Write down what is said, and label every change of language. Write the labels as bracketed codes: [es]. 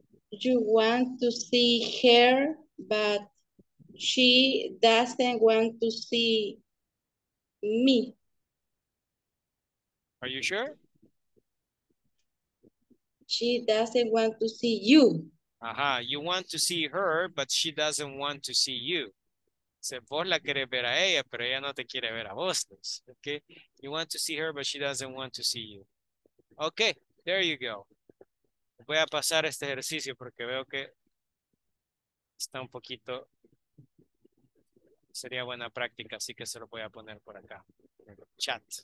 [en] You want to see her, but she doesn't want to see me. Are you sure? She doesn't want to see you. Ajá, you want to see her, but she doesn't want to see you. [es] Se vos la querés ver a ella, pero ella no te quiere ver a vos. [en] Okay, you want to see her, but she doesn't want to see you. Okay, there you go. [es] Voy a pasar este ejercicio porque veo que está un poquito, sería buena práctica, así que se lo voy a poner por acá, en el chat.